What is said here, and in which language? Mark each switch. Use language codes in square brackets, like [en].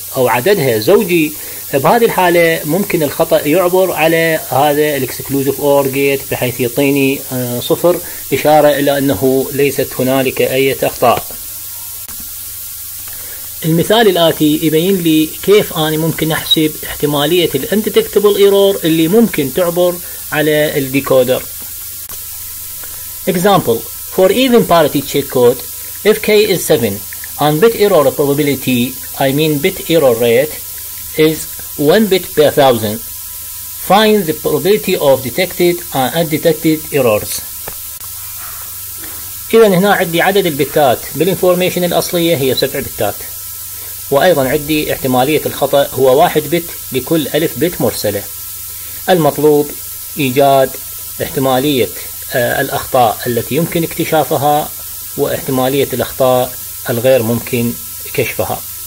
[ar] أو عددها زوجي، فبهذه الحالة ممكن الخطأ يعبر على هذا الاكسكلوزيف أور جيت بحيث يعطيني صفر، إشارة إلى أنه ليست هنالك أي أخطاء. المثال الآتي يبين لي كيف أنا ممكن أحسب احتمالية الـ undetectable error اللي ممكن تعبر على الديكودر. [en] Example: For even parity check code, if k is 7 and bit error probability, I mean bit error rate, is 1 bit per 1000, find the probability of detected and undetected errors. [ar] إذن هنا عندي عدد البتات بالإنفورميشن الأصلية هي 7 بتات، وأيضا عندي احتمالية الخطأ هو 1 بت لكل 1000 بت مرسلة. المطلوب إيجاد احتمالية الأخطاء التي يمكن اكتشافها واحتمالية الأخطاء الغير ممكن كشفها.